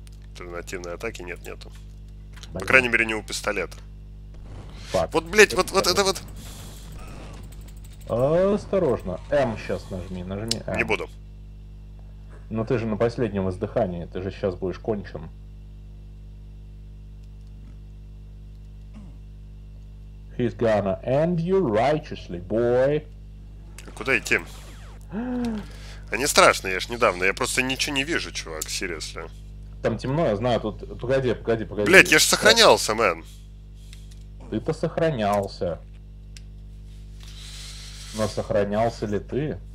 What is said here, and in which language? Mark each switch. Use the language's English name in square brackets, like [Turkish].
[Russian] Альтернативной атаки нет, нету. По крайней мере, не у пистолета. Факт. Вот, блять, вот, вот это вот. Осторожно. М сейчас нажми, нажми. Не буду. Но ты же на последнем издыхании, ты же сейчас будешь кончен. [English] He's gonna end you righteously, boy. [Russian] Куда идти? Они страшные, я ж недавно. Я просто ничего не вижу, чувак, серьезно. Там темно, я знаю, тут... Погоди, погоди, погоди. Блять, я ж сохранялся, мэн. Ты-то сохранялся. Но сохранялся ли ты?